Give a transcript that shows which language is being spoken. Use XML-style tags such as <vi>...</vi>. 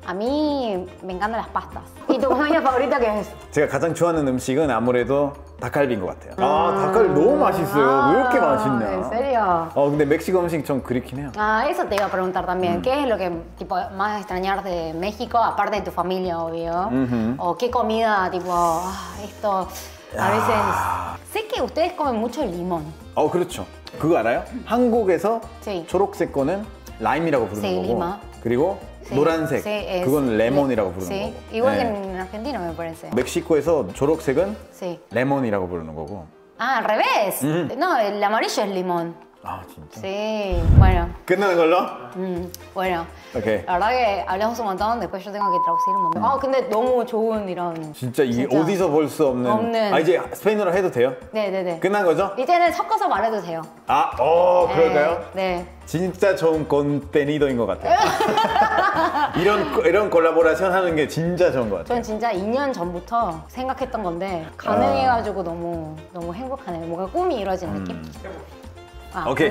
<es>A mí me encantan las pastas. ¿Y tu comida favorita qué es?</es> <ko>제가 가장 좋아하는 음식은 아무래도 닭갈비인 것 같아요. 아, 닭갈비 너무 맛있어요. 왜 이렇게 맛있냐?</ko> <es>¿En serio?</es> <ko>근데 멕시코 음식 좀 그립긴 해요.</ko> <es>Eso te iba a preguntar también. ¿Qué es lo que tipo más extrañas de México aparte de tu familia, obvio? ¿O qué comida tipo esto a veces? Sé que ustedes comen mucho limón.</es> <ko>그렇죠. 그거 알아요? 한국에서 sí. 초록색 거는 라임이라고 부르는</ko> <es>sí,</es> <ko>거고</ko> <es>lima.</es> <ko>그리고 sí. 노란색 sí, es, 그건 레몬이라고 부르는 sí. 거고</ko> <es>Igual que en Argentina me parece</es> <ko>멕시코에서 초록색은 sí. 레몬이라고 부르는 거고</ko> <es>아, al revés No, el amarillo es limón</es> <ko>아, 진짜?</ko> <es>Sí, bueno</es> <ko>끝나는 걸로?</ko> <es>Bueno</es> <en>okay.</en> <es>La verdad que hablamos un montón Después yo tengo que traducir un montón</es> <ko>아, 근데 너무 좋은 이런 진짜 이게 진짜... 어디서 볼 수 없는 없는 아, 이제 스페인어로 해도 돼요? 네 끝난 거죠? 이제는 섞어서 말해도 돼요 아, 그럴까요? 네 진짜 좋은 콘테니도인 것 같아요 이런 콜라보레이션 하는 게 진짜 좋은 것 같아요 전 진짜 2년 전부터 생각했던 건데 가능해가지고 너무 행복하네요 뭔가 꿈이 이루어진 느낌 아, okay.</ko>